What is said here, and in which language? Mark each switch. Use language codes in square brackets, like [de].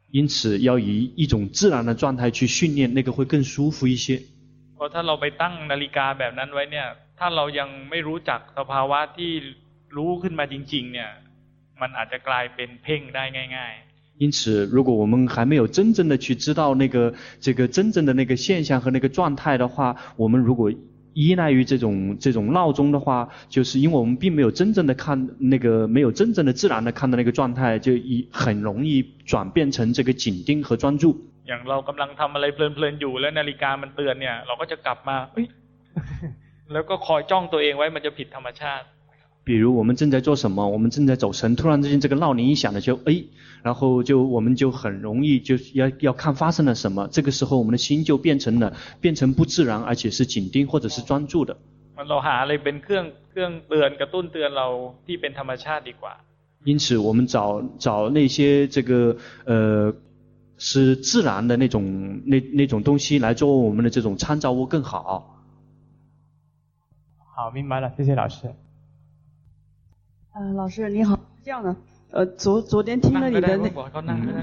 [zh] 因此要以一种自然的状态去训练那个会更舒服一些 [th] เพราะถ้าเราไปตั้งนาฬิกาแบบนั้นไว้เนี่ยถ้าเรายังไม่รู้จักสภาวะที่รู้ขึ้นมาจริงๆเนี่ยมันอาจจะกลายเป็นเพ่งได้ง่าย [zh] ๆ因此如果我们还没有真正的去知道那个这个真正的那个现象和那个状态的话我们如果依赖于这种闹钟的话就是因为我们并没有真正的看那个没有真正的自然的看到那个状态就很容易转变成这个紧盯和专注 [th] อย่างเรากำลังทำอะไรเพลินๆอยู่แล้วนาฬิกามันเตือนเนี่ยเราก็จะกลับมาแล้วก็คอยจ้องตัวเองไว้มันจะผิดธรรมชาติ [zh] 比如我们正在做什么我们正在走神突然之间这个闹铃一响的时候哎然后就我们就很容易就要看发生了什么这个时候我们的心就变成不自然而且是紧盯或者是专注的 [th] มันเราหาอะไรเป็นเครื่องเตือนกระตุ้นเตือนเราที่เป็นธรรมชาติดีกว่า [zh] 因此我们找那些这个是自然的那种东西来做我们的这种参照物更好好，明白了，谢谢老师。老师你好，这样的，昨天听了你的那，